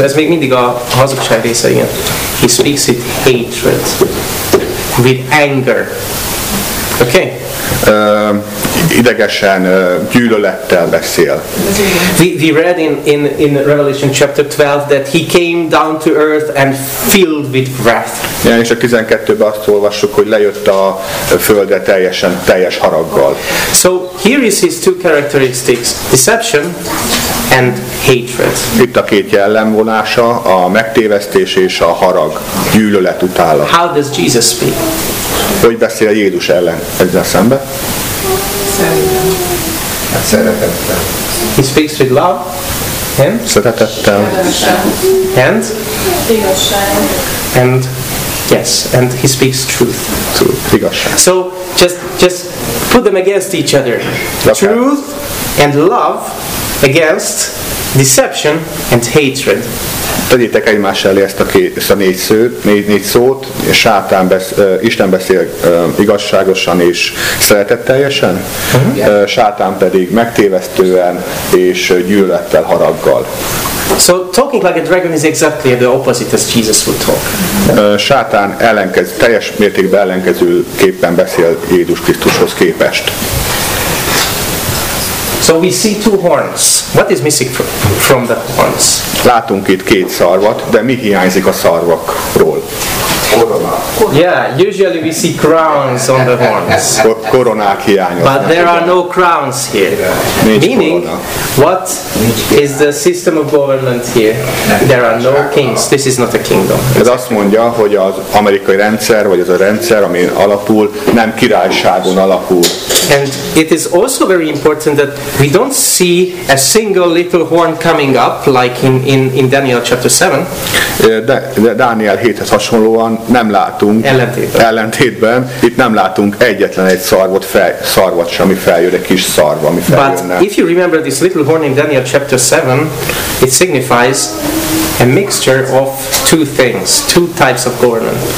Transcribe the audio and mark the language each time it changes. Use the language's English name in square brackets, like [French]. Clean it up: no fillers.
[Hungarian] Ez még mindig a hazugság része, igen. [English] He speaks with hatred. With anger. Okay. [Hungarian] Idegesen, gyűlölettel beszél. [English] We read in Revelation chapter 12 that he came down to earth and filled with wrath. [Hungarian] Igen, és a 12-ben azt olvassuk, hogy lejött a földre teljesen teljes haraggal. [English] So here is his two characteristics: deception and hatred. [Hungarian] Itt a két jellemvonása, a megtévesztés és a harag, gyűlölet utálat. [English] How does Jesus speak? [Hungarian] Hogy beszél Jézus ellen ezzel szemben? Szeretettel. [English] He speaks with love. And? [Hungarian] Szeretettel. [English] And? [Hungarian] Igazság. [English] And? Yes, and he speaks truth. [Hungarian] Igazság. [English] So, just put them against each other. Lakát. Truth and love against deception and hatred. [Hungarian] Tegyétek egymás elé ezt a négy szót, négy szót, és Sátán Isten beszél igazságosan és szeretetteljesen, Sátán pedig megtévesztően és gyűlölettel, haraggal. [English] So talking like a dragon is exactly the opposite as Jesus would talk. [Hungarian] Sátán teljes mértékben ellenkezőképpen beszél Jézus Krisztushoz képest. [English] So we see two horns. What is missing from the horns? [Hungarian] Látunk itt két szarvat, de mi hiányzik a szarvakról? Korona. [English] Yeah, usually we see crowns on the horns. [Hungarian] Koronák hiányoznak. [English] But there are no crowns here. [Hungarian] Nincs [English] meaning, [Hungarian] korona. [English] What is the system of government here? There are no kings. This is not a kingdom. [Hungarian] Ez azt mondja, hogy az amerikai rendszer, vagy az a rendszer, ami alapul, nem királyságon alapul. [English] And it is also very important that we don't see a single little horn coming up like in Daniel chapter 7. [Hungarian] De Dániel 7-hez hasonlóan nem látunk ellentétben itt nem látunk egyetlen egy szarvat sem, ami feljön, egy kis szarv, ami feljönne. [English] But if you remember this little horn in Daniel chapter 7, it signifies a mixture of two things, two types of government.